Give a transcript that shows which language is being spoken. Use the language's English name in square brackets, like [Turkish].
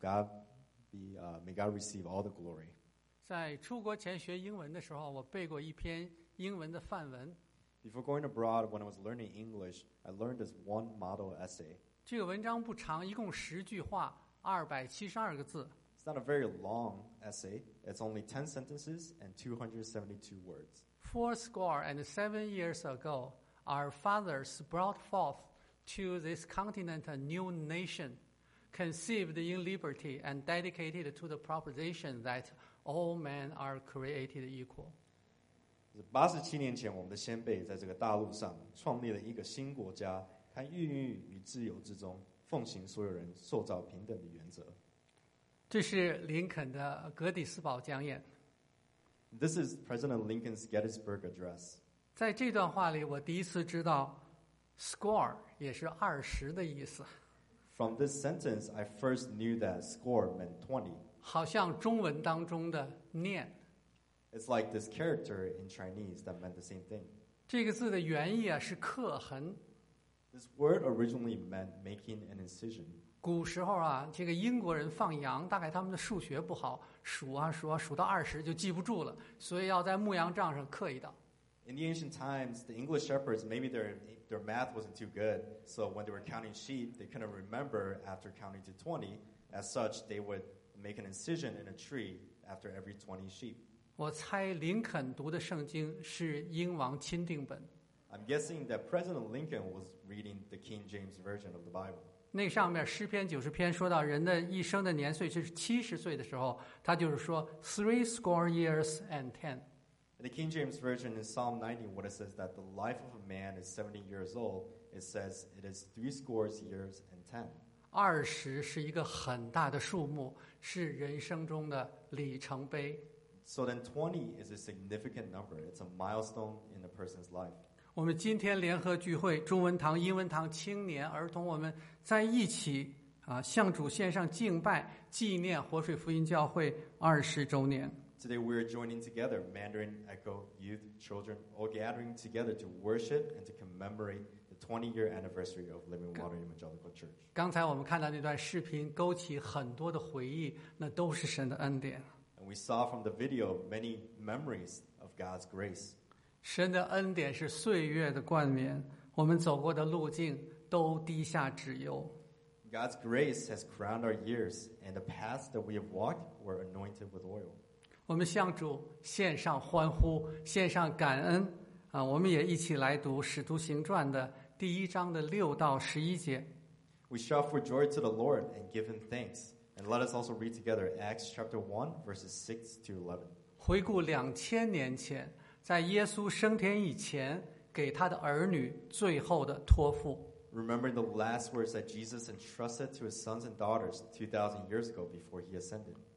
[English] God be, may God receive all the glory. [Chinese] 在出国前学英文的时候，我背过一篇英文的范文。 [English] Before going abroad, when I was learning English, I learned this one model essay. [Chinese] 这个文章不长，一共十句话，272个字。 [English] It's not a very long essay. It's only 10 sentences and 272 words. 47 years ago, our fathers brought forth to this continent a new nation, conceived in liberty and dedicated to the proposition that all men are created equal. [Chinese] 87年前，我们的先辈在这个大陆上创立了一个新国家，它孕育于自由之中，奉行所有人受造平等的原则。这是林肯的格迪斯堡讲演。 [English] This is President Lincoln's Gettysburg Address. [Chinese] 在这段话里，我第一次知道 score 也是二十的意思。 [English] From this sentence, I first knew that score meant 20. [Chinese] 好像中文当中的念。 [English] It's like this character in Chinese that meant the same thing. [Chinese] 这个字的原意啊是刻痕。 [English] This word originally meant making an incision. [Chinese] 古时候啊，这个英国人放羊，大概他们的数学不好，数啊数啊，数到二十就记不住了，所以要在牧羊杖上刻一道。 [English] In the ancient times, the English shepherds, maybe their math wasn't too good, so when they were counting sheep, they couldn't remember after counting to 20. As such, they would make an incision in a tree after every 20 sheep. [Chinese] 我猜林肯读的圣经是英王钦定本。 [English] I'm guessing that President Lincoln was reading the King James Version of the Bible. [Chinese] 那上面诗篇九十篇说到人的一生的年岁是七十岁的时候，他就是说 [English] 70 years and 10. In the King James Version in Psalm 90, what it says that the life of a man is 70 years old, it says it is 70 years and 10. [Chinese] 二十是一个很大的数目，是人生中的里程碑。 [English] So then 20 is a significant number. It's a milestone in a person's life. [Chinese] 我们今天联合聚会，中文堂、英文堂、青年、儿童，我们在一起啊，向主献上敬拜，纪念活水福音教会20周年。 [English] Today we are joining together, Mandarin, Echo, Youth, Children, all gathering together to worship and to commemorate the 20-year anniversary of Living Water Evangelical Church. [Chinese] 刚才我们看到那段视频，勾起很多的回忆，那都是神的恩典。 [English] And we saw from the video many memories of God's grace. [Chinese] 神的恩典是岁月的冠冕，我们走过的路径都滴下脂油。 [English] God's grace has crowned our years, and the paths that we have walked were anointed with oil. [Chinese] 我们向主献上欢呼，献上感恩啊！我们也一起来读《使徒行传》的第一章的6-11节。 [English] We shout for joy to the Lord and give Him thanks, and let us also read together Acts chapter 1, verses 6-11. [Chinese] 回顾2000年前，在耶稣升天以前，给他的儿女最后的托付。 [English] Remembering the last words that Jesus entrusted to His sons and daughters 2000 years ago before He ascended.